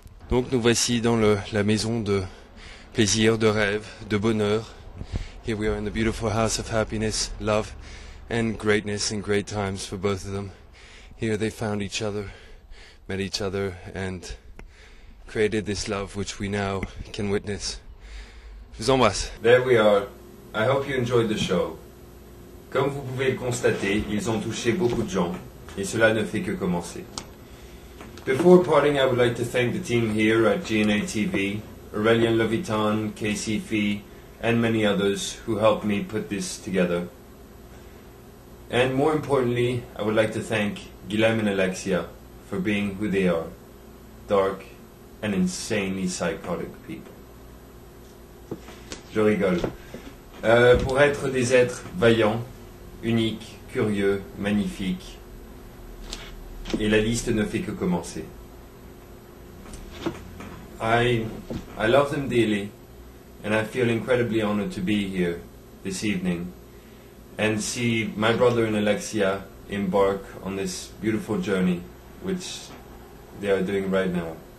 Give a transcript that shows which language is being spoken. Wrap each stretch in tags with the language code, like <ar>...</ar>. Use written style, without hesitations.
<fr>Donc nous voici dans la maison de plaisir, de rêve, de bonheur.</fr> <en>Here we are in the beautiful house of happiness, love, and greatness and great times for both of them. Here they found each other, met each other, and created this love which we now can witness.</en> <fr>Je vous embrasse.</fr> <en>There we are. I hope you enjoyed the show.</en> <fr>Comme vous pouvez le constater, ils ont touché beaucoup de gens, et cela ne fait que commencer.</fr> <en>Before parting, I would like to thank the team here at GNA TV, Aurelien Levitan, Casey Fee, and many others who helped me put this together. And more importantly, I would like to thank Guilhem and Alexia for being who they are, dark and insanely psychotic people.</en> <fr>Je rigole. Pour être des êtres vaillants, uniques, curieux, magnifiques, et la liste ne fait que commencer.</fr> <en>I love them dearly, and I feel incredibly honored to be here this evening and see my brother and Alexia embark on this beautiful journey which they are doing right now.</en>